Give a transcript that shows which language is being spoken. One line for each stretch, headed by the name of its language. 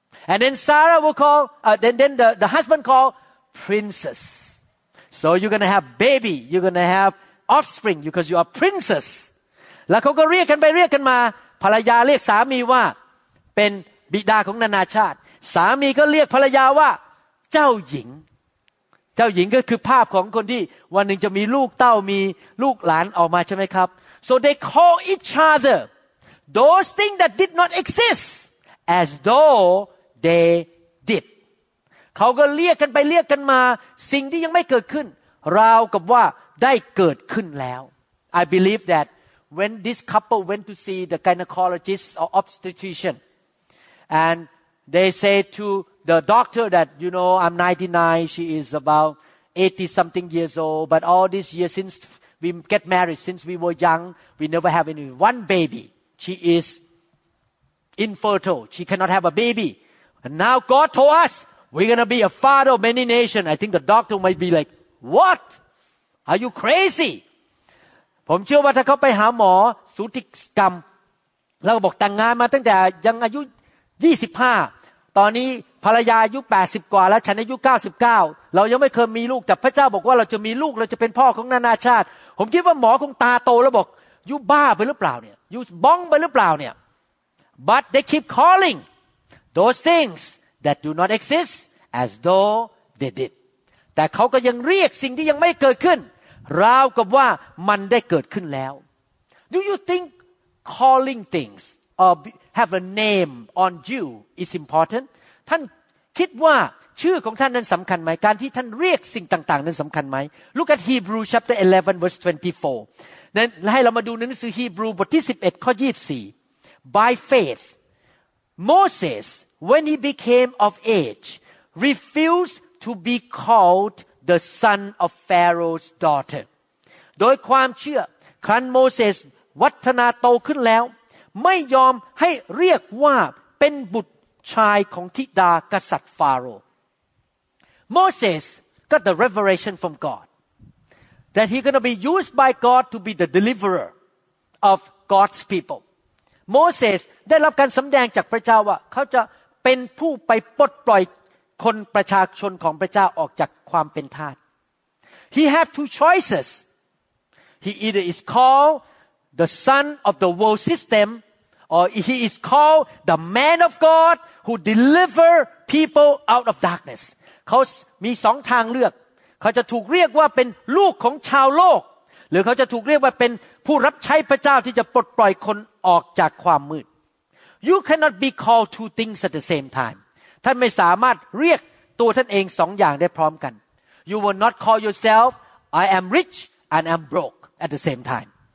English: And then Sarah will call, then the husband called princess. So you're going to have baby. You're going to have offspring because you are princess.
Thai: แล้วเขาก็เรียกกันไปเรียกกันมาภรรยาเรียกสามีว่าเป็นบิดาของนานาชาติสามีก็เรียกภรรยาว่าเจ้าหญิงเจ้าหญิงก็คือภาพของคนที่วันหนึ่งจะมีลูกเต้ามีลูกหลานออกมาใช่ไหมครับ
English: So they call each other those things that did not exist as though they did.
Thai: เขาก็เรียกกันไปเรียกกันมาสิ่งที่ยังไม่เกิดขึ้นราวกับว่าได้เกิดขึ้นแล้ว
English: I believe that when this couple went to see the gynecologist or obstetrician and they say to the doctor that you know I'm 99 she is about 80 something years old but all these years since we get married since we were young we never have any one baby she is infertile she cannot have a baby and now God told usWe're going to be a father of many nations. I think the doctor might be like, what? Are you crazy?
Thai: ผมเชื่อว่าถ้าเขาไปหาหมอสูติกรรมแล้วบอกแต่งงานมาตั้งแต่ยังอายุ25ตอนนี้ภรรยาอายุ80กว่าแล้วฉันอายุ99เรายังไม่เคยมีลูกแต่พระเจ้าบอกว่าเราจะมีลูกเราจะเป็นพ่อของนานาชาติผมคิดว่าหมอคงตาโตแล้วบอกอยู่บ้าไปหรือเปล่าเนี่ยอยู่บ้องไปหรือเปล่าเนี่ย
English: But they keep calling those thingsThat do not exist as though they did. But he still calls things that have not happened as though it has happened. Do you think calling things or have a name on you is important? Do you think the name of your name is important? The name that you call things is important. Look at Hebrews chapter 11 verse 24. Let's look at Hebrews 11 verse 24. By faith, Moses. When he became of age, refused to be called the son of Pharaoh's daughter.
Thai: โดยความเชื่อครั้นโมเสสวัฒนาโตขึ้นแล้วไม่ยอมให้เรียกว่าเป็นบุตรชายของธิดากษัตริย์ฟาโรห์
English: Moses got the revelation from God that he's going to be used by God to be the deliverer of God's people.
Thai: Moses ได้รับการสำแดงจากพระเจ้าว่าเขาจะเป็นผู้ไปปลดปล่อยคนประชาชนของพระเจ้าออกจากความเป็นทาส
English: He had two choices. He either is called the son of the world system, or he is called the man of God who deliver people out of darkness.
Thai: เขามีสองทางเลือกเขาจะถูกเรียกว่าเป็นลูกของชาวโลกหรือเขาจะถูกเรียกว่าเป็นผู้รับใช้พระเจ้าที่จะปลดปล่อยคนออกจากความมืด
English: You cannot be called two things at the same time.
Thai: ท่านไม่สามารถเรียกตัวท่านเองสองอย่างได้พร้อมกัน
English: You will not call yourself, I am rich and I am broke at the same time.